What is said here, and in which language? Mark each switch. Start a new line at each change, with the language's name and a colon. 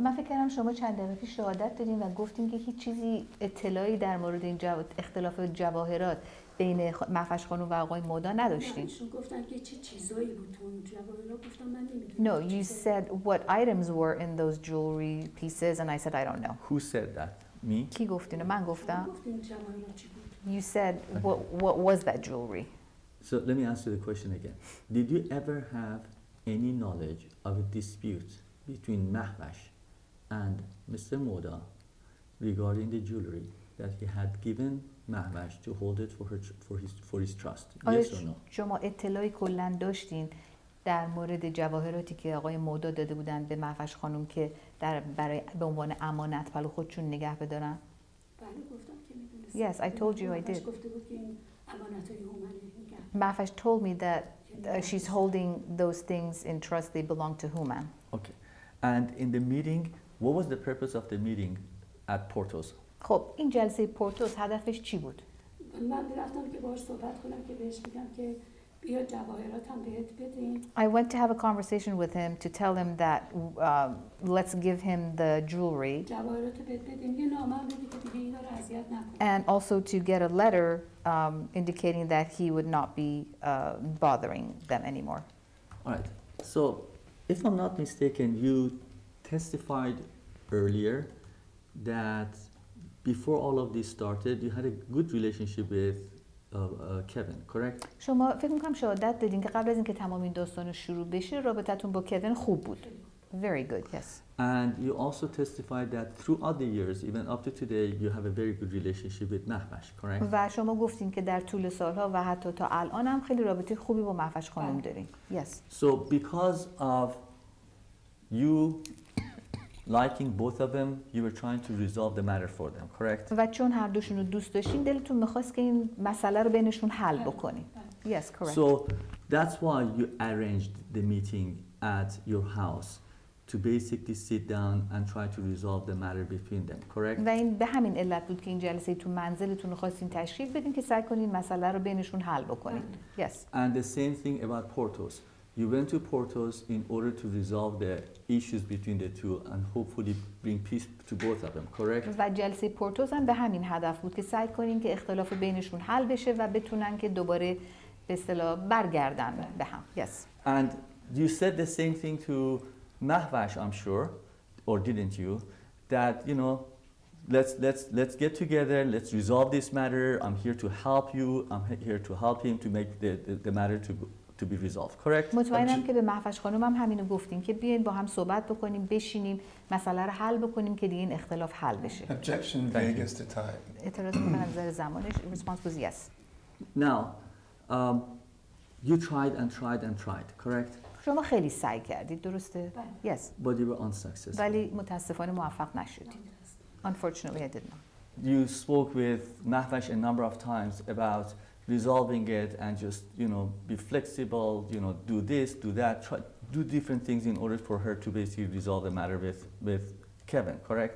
Persian: من فکر کردم شما چند دقیقه پیش شهادت دادین و گفتین که هیچ چیزی اطلاعی در مورد این اختلاف جواهرات بین مهفج خانم و آقای مودا نداشتین. شما گفتن که چه چیزایی بود تو اون جواهرات، گفتم من نمیدونم.
English: No, you said what items were in those jewelry pieces and I said I don't know. Who said that? Me?
Persian: کی گفتین؟ من گفتم. گفتین جواهرات چی بود؟
English: You said what was that jewelry? So let me ask you the question again. Did you ever have any knowledge of a dispute between Mahnaz and Mr. Moda regarding the jewelry that he had given Mahnaz to hold it for his trust? Yes or no?
Persian: شما اطلاعی کلن داشتین در مورد جواهراتی که آقای مودا داده بودن به مهفج خانم که در برای به عنوان امانت پلو خودشون نگه بدارن؟ بله گفتم که میدونستم.
English: Yes, I told you I did.
Persian: گفته بود که این امانتای
English: Mahnaz told me that she's holding those things in trust. They belong to Human. Okay. And in the meeting, what was the purpose of the meeting at Porto's?
Persian: خب این جلسه پورتوس هدفش چی بود؟ من رفتم که باهاش صحبت کنم که بهش بگم که بیا جواهراتم بهت بدیم.
English: I went to have a conversation with him to tell him that let's give him the jewelry.
Persian: جواهرات بهت بدیم. یه نامه بدی که دیگه اینا رو اذیت نکنه.
English: And also to get a letter indicating that he would not be bothering them anymore. All right. So, if I'm not mistaken, you testified earlier that before all of this started, you had a good relationship with Kevin, correct?
Persian: شما فکر می‌کنم شهادت دادین که قبل از اینکه تمام این داستان شروع بشه رابطتون با کوین خوب بود.
English: Very good, yes. And you also testified that throughout the years, even up to today, you have a very good relationship with Mahnaz, correct?
Persian: و شما گفتین که در طول سالها و حتی تا الان هم خیلی رابطه خوبی با مهفج خانم دارین.
English: Yes. So because of you liking both of them, you were trying to resolve the matter for them, correct?
Persian: و چون هر دوشون رو دوست داشتین دلتون میخواست که این مسئله رو بینشون حل بکنین.
English: Yes, correct. So that's why you arranged the meeting at your house. To basically sit down and try to resolve the matter between them, correct?
Persian: و این به همین علت بود که این جلسه تو منزلتون رو خواستین تشریف بدین که سعی کنین مسئله رو بینشون حل بکنین.
English: Yes. And the same thing about Porto's. You went to Porto's in order to resolve the issues between the two and hopefully bring peace to both of them, correct? و جلسه Porto's هم به همین هدف بود که سعی کنین که اختلاف بینشون حل بشه و بتونن که دوباره به اصطلاح برگردن به هم. Yes. And you said the same thing to Mahnaz, I'm sure, or didn't you? That you know, let's get together. Let's resolve this matter. I'm here to help you. I'm here to help him to make the matter to be resolved. Correct?
Persian: مطمئنم که به مهفج خانومم همینو گفتیم که بیاین با هم صحبت بکنیم، بشینیم، مسئله رو حل بکنیم که دیگه اختلاف حل بشه.
English: Objection against the time.
Persian: اعتراض به نظر زمانش.
English: Response was yes. Now, you tried and tried and tried. Correct?
Persian: شما خیلی سعی کردید درسته؟ بله.
English: Yes. But you were unsuccessful.
Persian: ولی متاسفانه موفق نشدید.
English: Unfortunately, I did not. You spoke with Mahnaz a number of times about resolving it and just, you know, be flexible, you know, do this, do that, try do different things in order for her to basically resolve the matter with Kevin, correct?